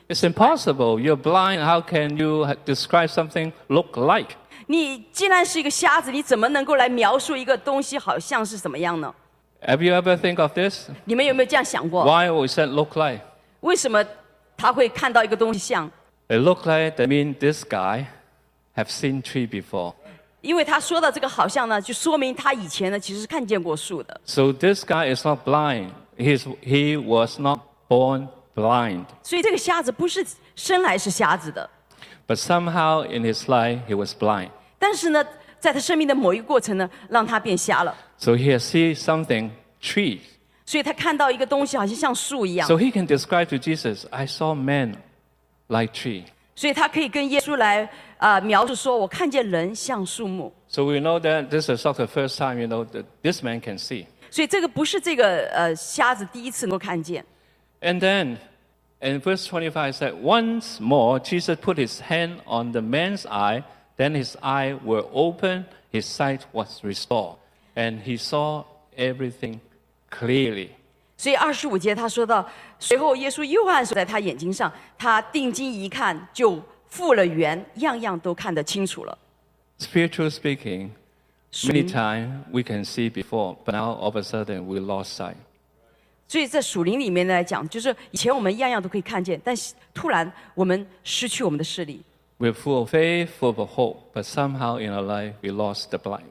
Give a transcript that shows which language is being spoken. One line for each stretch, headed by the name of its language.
English: It's impossible. You're blind. How can you describe something look like?
Chinese: 你既然是一个瞎子你怎么能够来描述一个东西好像是怎么样呢
English: Have you ever think of this?
Chinese: 你们有没有这样想过
English: Why we said look like?
Chinese: 为什么他会看到一个东西像
English: It look like that means this guy have seen tree before
Chinese: 因为他说的这个好像呢，就说明他以前呢其实是看见过树的。
English: So this guy is not blind. He was not born blind.
Chinese: 所以这个瞎子不是生来是瞎子的。
English: But somehow in his life he was blind.
Chinese: 但是呢，在他生命的某一个过程呢，让他变瞎了。
English: So he has seen something trees.
Chinese: 所以他看到一个东西好像像树一样。
English: So he can describe to Jesus, I saw men like tree.
Chinese: 所以他可以跟耶稣来。描述说我看见人像树木
English: So we know that this is not the first time you know that this man can see
Chinese: 所以这个不是这个瞎子第一次能够看见
English: And then And verse 25 said, once more Jesus put his hand on the man's eye, then his eye were opened, his sight was restored, and he saw everything clearly.
Chinese: 所以25节他说到，随后耶稣又按手在他眼睛上，他定睛一看，就复了原，样样都看得清楚了。
English: Spiritually speaking, many times we can see before, but now all of a sudden we lost sight.
Chinese: 所以在属灵里面来讲，就是以前我们样样都可以看见，但是突然我们失去我们的视力。
English: We're full of faith, full of hope, but somehow in our life we lost the blind.